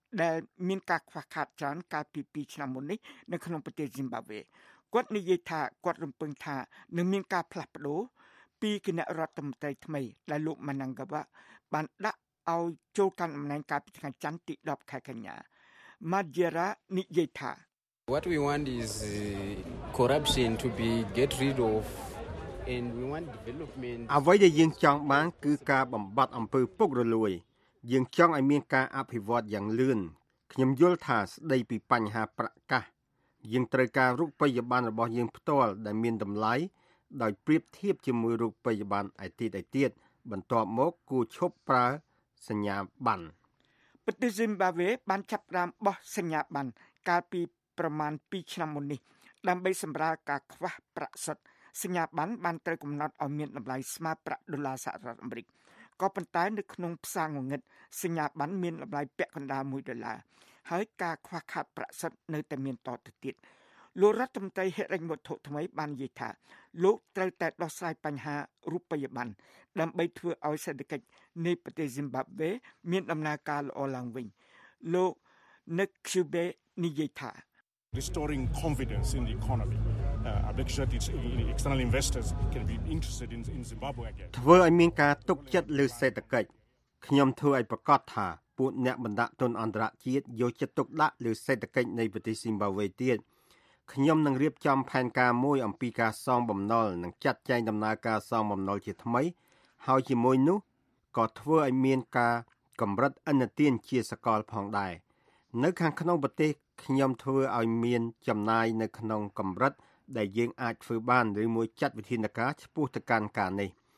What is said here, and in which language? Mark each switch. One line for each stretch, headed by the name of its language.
Khmer: ដែលមានការខ្វះខាតច្រើនកាលពី2ឆ្នាំមុននេះនៅក្នុងប្រទេសស៊ីមបាប៊េគាត់និយាយថាគាត់រំពឹងថានឹងមានការផ្លាស់ប្ដូរពីគណៈរដ្ឋមន្ត្រីថ្មីដែលលោកម៉ាណាងកាវ៉ាបានដាក់ឲ្យចូលកាន់តំណែងកាលពីថ្ងៃច័ន្ទទី10ខែកញ្ញាម៉ាជីរ៉ានិយាយថា
English: What we want is corruption to be get rid of and we want development
Khmer: អ្វីដែលយើងចង់បានគឺការបំបត្តិអំពើពុករលួយយើងចង់ឲ្យមានការអភិវឌ្ឍយ៉ាងលឿនខ្ញុំយល់ថាស្ដីពីបញ្ហាប្រកាសយើងត្រូវការរូបិយប័ណ្ណរបស់យើងផ្ទាល់ដែលមានតម្លៃដោយប្រៀបធៀបជាមួយរូបិយប័ណ្ណឯទៀតទៀតបន្ទាប់មកគួរឈប់ប្រើសញ្ញាប័ណ្ណ ប្រទេសស៊ីមបាវេបានចាប់រាមបោះសញ្ញាប័ណ្ណកាលពីប្រមាណ2ឆ្នាំមុននេះដើម្បីសម្រាលការខ្វះប្រាក់សុទ្ធសញ្ញាប័ណ្ណបានត្រូវកំណត់ឲ្យមានតម្លៃស្មើប្រាក់ដុល្លារសហរដ្ឋអាមេរិកក៏ប៉ុន្តែនៅក្នុងផ្សារងងឹតសញ្ញាប័ណ្ណមានតម្លៃពាក់កណ្ដាល1ដុល្លារហើយការខ្វះខាតប្រាក់សុទ្ធនៅតែមានតទៅទៀត លោករដ្ឋមន្ត្រីហិរញ្ញវត្ថុថ្មីបាននិយាយថាលោកត្រូវតែដោះស្រាយបញ្ហារូបិយប័ណ្ណដើម្បីធ្វើឲ្យសេដ្ឋកិច្ចនៃប្រទេសស៊ីមបាប៊េមានដំណើរការល្អឡើងវិញលោកនិកឃ្យូបេនិយាយថា
English: restoring confidence in the economy I think that its external investors can be interested in Zimbabwe again
Khmer: ធ្វើឲ្យមានការទុកចិត្តលើសេដ្ឋកិច្ចខ្ញុំធ្វើឲ្យប្រកាសថាពួកអ្នកបណ្ដាក់ទុនអន្តរជាតិយកចិត្តទុកដាក់លើសេដ្ឋកិច្ចនៃប្រទេសស៊ីមបាប៊េទៀតខ្ញុំនឹងរៀបចំផែនការមួយអំពីការសងបំណុលនិងຈັດចែងដំណើរការសងបំណុលជាថ្មីហើយជាមួយនោះក៏ធ្វើឲ្យមានការកម្រិតឥណទានជាសកលផងដែរនៅខាងក្នុងប្រទេសខ្ញុំធ្វើឲ្យមានចំណាយនៅក្នុងកម្រិតដែលយើងអាចធ្វើបានឬមួយຈັດវិធានការឆ្ពោះទៅកាន់ការនេះ